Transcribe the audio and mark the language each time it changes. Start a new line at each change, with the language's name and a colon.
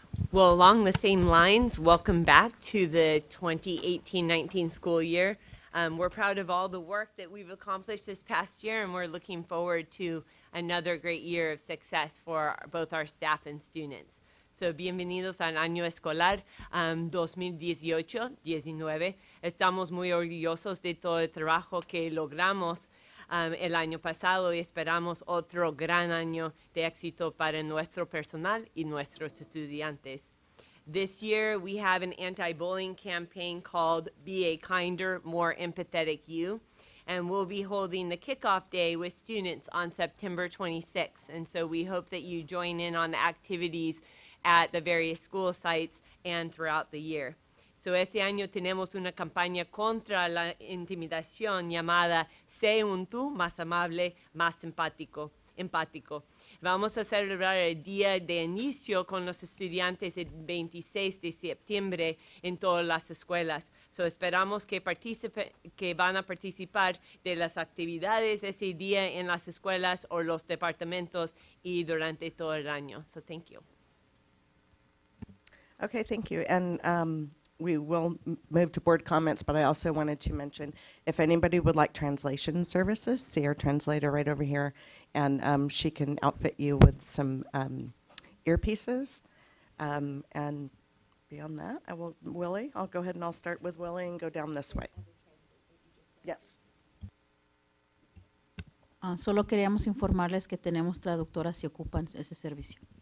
English: Well, along the same lines, welcome back to the 2018-19 school year. We're proud of all the work that we've accomplished this past year, and we're looking forward to another great year of success for both our staff and students.
Spanish: So, bienvenidos al año escolar 2018-19. Estamos muy orgullosos de todo el trabajo que logramos el año pasado, y esperamos otro gran año de éxito para nuestro personal y nuestros estudiantes.
English: This year, we have an anti-bullying campaign called Be a Kinder, More Empathetic You, and we'll be holding the kickoff day with students on September 26th, and so we hope that you join in on the activities at the various school sites and throughout the year.
Spanish: So ese año tenemos una campaña contra la intimidación llamada Sé un tú más amable, más empático. Vamos a celebrar el día de inicio con los estudiantes el 26 de septiembre en todas las escuelas. So esperamos que van a participar de las actividades ese día en las escuelas o los departamentos y durante todo el año.
English: So thank you. Okay, thank you. We will move to board comments, but I also wanted to mention, if anybody would like translation services, see our translator right over here, and she can outfit you with some earpieces. And beyond that, I will, Willie, I'll go ahead and I'll start with Willie and go down this way. Yes.
Spanish: Solo queríamos informarles que tenemos traductoras si ocupan ese servicio.